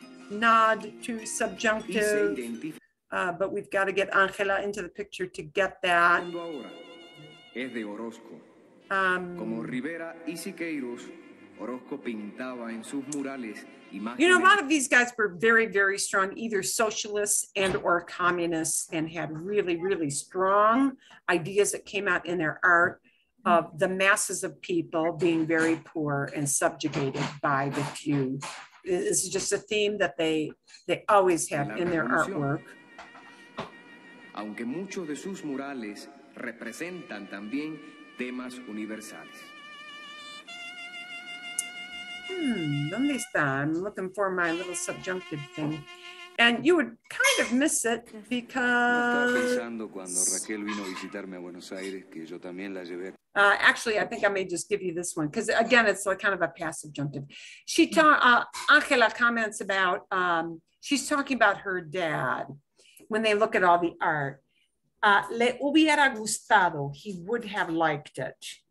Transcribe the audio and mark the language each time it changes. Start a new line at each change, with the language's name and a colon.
English: Nod to subjunctive, but we've got to get Angela into the picture to get that.
Spanish: Es de Orozco. Como Rivera y Siqueiros, Orozco pintaba en sus murales imágenes.
English: You know, a lot of these guys were very, very strong, either socialists and or communists, and had really, really strong ideas that came out in their art of the masses of people being very poor and subjugated by the few. This is just a theme that they always have in their artwork.
Spanish: Aunque muchos de sus murales representan también temas universales. ¿Dónde está?
English: I'm looking for my little subjunctive thing. And you would kind of miss it because...
Spanish: Pensando cuando Raquel vino a visitarme a Buenos Aires, que yo también la llevé.
English: Actually, I think I may just give you this one because, again, it's like kind of a past subjunctive. She Angela comments about, she's talking about her dad when they look at all the art.
Spanish: Le hubiera gustado,
English: he would have liked it.